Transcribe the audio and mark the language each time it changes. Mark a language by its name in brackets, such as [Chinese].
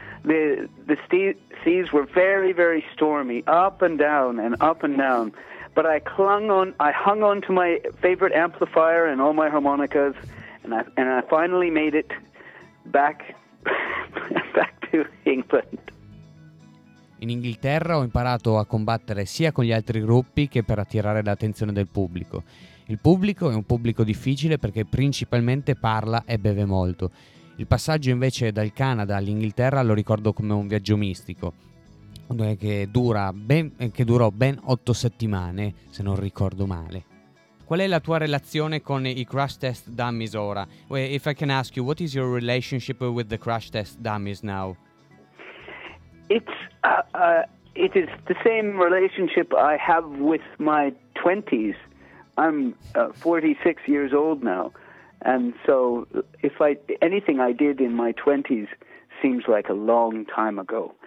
[English] The seas were very, very stormy, up and down and up and down. But I hung on to my favorite amplifier and all my harmonicas, and I finally made it back back to England. [Italian] In Inghilterra ho imparato a combattere sia con gli altri gruppi che per attirare l'attenzione del pubblico. Il pubblico è un pubblico difficile perché principalmente parla e beve molto. Il passaggio invece dal Canada all'Inghilterra lo ricordo come un viaggio mistico, che durò ben 8 settimane, se non ricordo male. Qual è la tua relazione con i Crash Test Dummies ora? [English] If I can ask you, what is your relationship with the Crash Test Dummies now? It is the same relationship I have with my 20s. I'm 46 years old now, and so anything I did in my 20s seems like a long time ago.